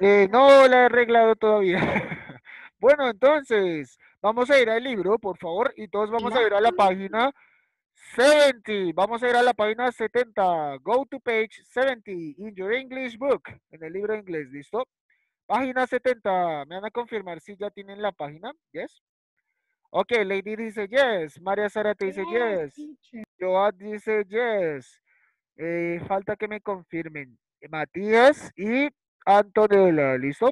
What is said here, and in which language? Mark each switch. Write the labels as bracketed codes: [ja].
[es] No la he arreglado todavía. Bueno, entonces, vamos a ir al libro, por favor, y todos vamos a ir a la página 70. Vamos a ir a la página 70. [en] Go to page 70 in your English book. [es] En el libro inglés, ¿listo? Página 70. ¿Me van a confirmar si ya tienen la página? ¿Yes? Ok, Lady dice yes. María Sara te dice yes. Joad dice yes. Falta que me confirmen. Matías y Antonella, ¿listo?